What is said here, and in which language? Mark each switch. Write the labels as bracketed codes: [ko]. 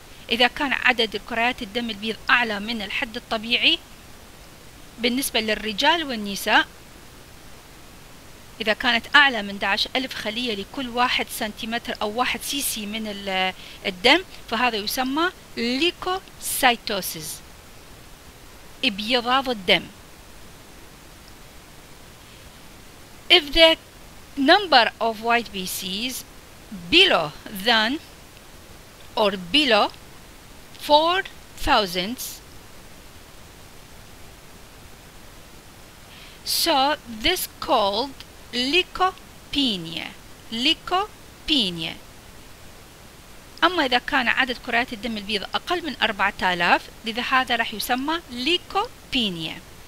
[ar] إذا كان عدد الكريات الدم البيض أعلى من الحد الطبيعي بالنسبة للرجال والنساء، إذا كانت أعلى من 11,000 خلية لكل 1 سنتيمتر أو 1 سي سي من الدم، فهذا يسمى ليكوسايتوسيس، إبيضاض الدم. [en] If the number of white BCs below than or below 4,000, so this called leukopenia. Leukopenia. [ar] أما إذا كان عدد كريات الدم البيض أقل من 4,000، لذا هذا راح يسمى leukopenia.